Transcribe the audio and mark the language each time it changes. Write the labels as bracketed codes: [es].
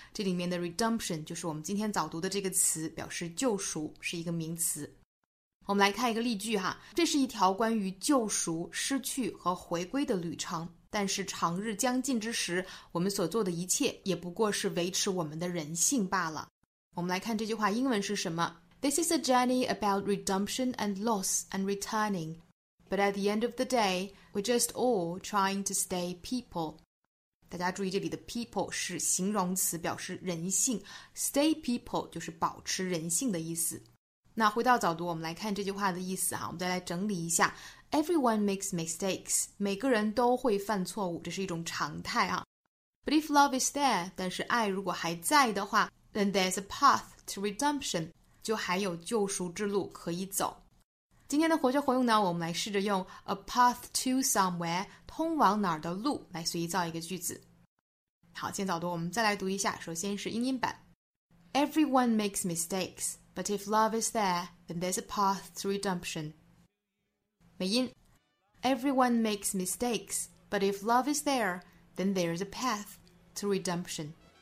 [zh] 这里面的 redemption 就是我们今天早读的这个词，表示救赎，是一个名词。我们来看一个例句哈，这是一条关于救赎、失去和回归的旅程，但是长日将近之时，我们所做的一切也不过是维持我们的人性罢了。我们来看这句话英文是什么。 [en] This is a journey about redemption and loss and returning, but at the end of the day, we're just all trying to stay people. [zh] 大家注意这里的 people 是形容词，表示人性， stay people 就是保持人性的意思。那回到早读，我们来看这句话的意思啊，我们再来整理一下。 Everyone makes mistakes，每个人都会犯错误，这是一种常态啊。 But if love is there，但是爱如果还在的话， then there's a path to redemption，就还有救赎之路可以走。今天的活学活用呢，我们来试着用 a path to somewhere，通往哪儿的路，来随意造一个句子。好，先早读，我们再来读一下，首先是英音版。 [en] Everyone makes mistakes，But if love is there, then there's a path to redemption. [zh] 美音。 [en] Everyone makes mistakes, but if love is there, then there's a path to redemption.